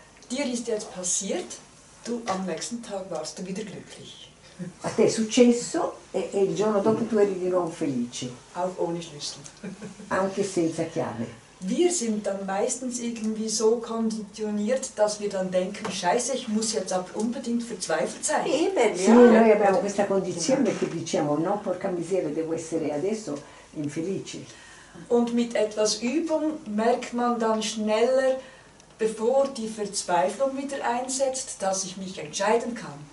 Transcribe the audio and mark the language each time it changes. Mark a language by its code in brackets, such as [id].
[de] Dir ist jetzt passiert, du am nächsten Tag warst du wieder glücklich. [it] A te è successo e il giorno dopo tu eri di nuovo felice. [de] Auch ohne Schlüssel. [it] Anche senza chiave. [de] Wir sind dann meistens irgendwie so konditioniert, dass wir dann denken, scheiße, ich muss jetzt aber unbedingt verzweifelt sein. Eben, [it] sì, [de] ja. [it] Noi abbiamo questa condizione che diciamo, no, porca miseria, devo essere adesso infelice. [de] Und mit etwas Übung merkt man dann schneller, bevor die Verzweiflung wieder einsetzt, dass ich mich entscheiden kann.